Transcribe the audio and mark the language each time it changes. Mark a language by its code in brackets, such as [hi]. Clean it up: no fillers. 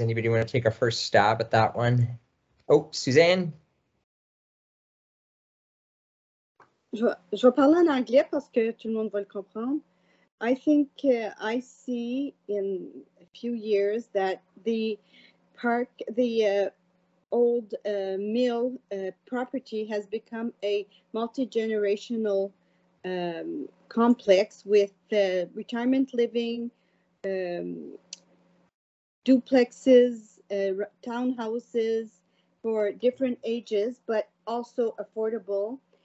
[en] Anybody want to take a first stab at that one? Oh, Suzanne. [fr] Je vais parler en anglais parce que tout le monde va le comprendre. [en] I think I see in a few years that the park, the old mill property has become a multi-generational complex with the retirement living, duplexes, townhouses for different ages, but also affordable.